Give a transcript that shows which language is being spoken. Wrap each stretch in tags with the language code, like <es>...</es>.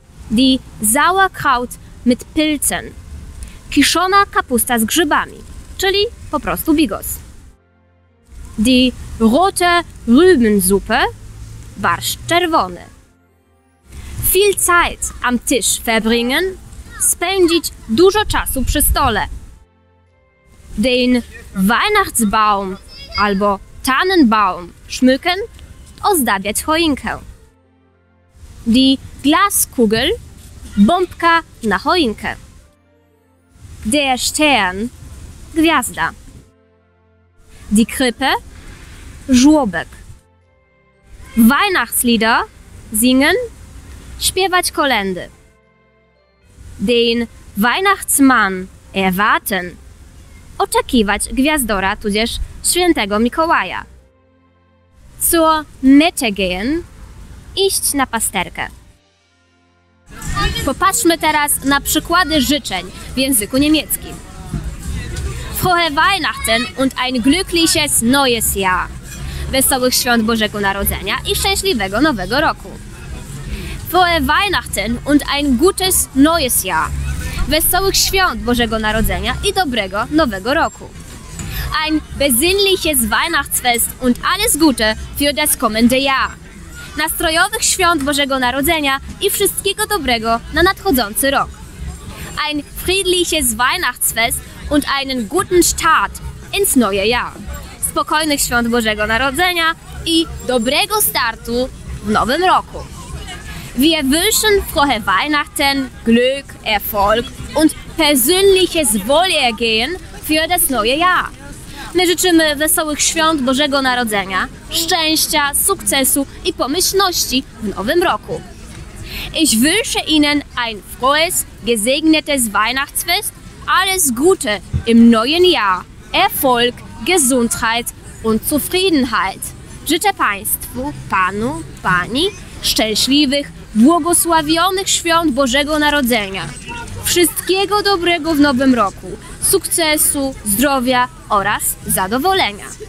<de>Die Sauerkraut mit Pilzen.</de> <pl>Kiszona kapusta z grzybami, czyli po prostu bigos.</pl> <de>Die rote Rübensuppe.</de> <pl>Barszcz czerwony.</pl> <de>Viel Zeit am Tisch verbringen,</de> <pl>spędzić dużo czasu przy stole.</pl> <de>Den Weihnachtsbaum</de> <pl>albo</pl> <de>Tannenbaum schmücken,</de> <pl>ozdabiać choinkę.</pl> <de>Die Glaskugel,</de> <pl>bombka na choinkę.</pl> <de>Der Stern,</de> <pl>gwiazda.</pl> <de>Die Krippe,</de> <pl>żłobek.</pl> <de>Weihnachtslieder, singen,</de> <pl>śpiewać kolędy.</pl> <de>Den Weihnachtsmann erwarten.</de> <pl>Oczekiwać gwiazdora, tudzież świętego Mikołaja.</pl> <de>zur Mitte gehen,</de> <pl>iść na pasterkę. Popatrzmy teraz na przykłady życzeń w języku niemieckim.</pl> <de>Frohe Weihnachten und ein glückliches neues Jahr.</de> <pl>Wesołych świąt Bożego Narodzenia i szczęśliwego Nowego Roku.</pl> <de>Frohe Weihnachten und ein gutes neues Jahr.</de> <pl>Wesołych świąt Bożego Narodzenia i dobrego Nowego Roku.</pl> <de>Ein besinnliches Weihnachtsfest und alles Gute für das kommende Jahr.</de> <pl>Nastrojowych świąt Bożego Narodzenia i wszystkiego dobrego na nadchodzący rok.</pl> <de>Ein friedliches Weihnachtsfest und einen guten Start ins neue Jahr.</de> <pl>Spokojnych świąt Bożego Narodzenia i dobrego startu w nowym roku.</pl> <de>Wir wünschen frohe Weihnachten, Glück, Erfolg und persönliches Wohlergehen für das neue Jahr.</de> <pl>My życzymy wesołych świąt Bożego Narodzenia, szczęścia, sukcesu i pomyślności w nowym roku.</pl> <de>Ich wünsche Ihnen ein frohes, gesegnetes Weihnachtsfest, alles Gute im neuen Jahr, Erfolg, Gesundheit und Zufriedenheit.</de> <pl>Życzę Państwu, Panu, Pani, szczęśliwych, błogosławionych świąt Bożego Narodzenia. Wszystkiego dobrego w nowym roku, sukcesu, zdrowia oraz zadowolenia.</pl>